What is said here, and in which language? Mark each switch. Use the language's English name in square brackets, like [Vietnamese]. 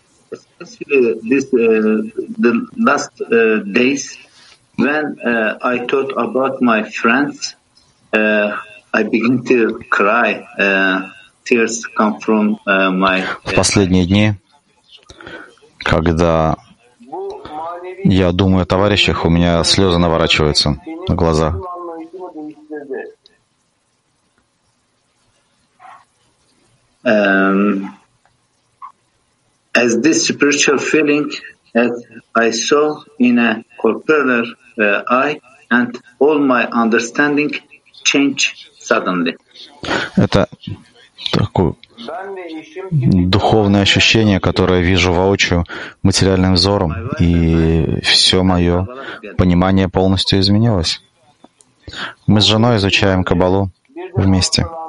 [English] Especially this the last days when I thought about my friends, I begin to cry. Tears come from my. [Russian] В последние дни, когда я думаю о товарищах, у меня слезы наворачиваются на глаза. [English] As this spiritual feeling that I saw in a corporeal eye, and all my understanding changed suddenly. [Russian] Это такое духовное ощущение, которое я вижу воочию материальным взором, и все мое понимание полностью изменилось. Мы с женой изучаем Каббалу вместе.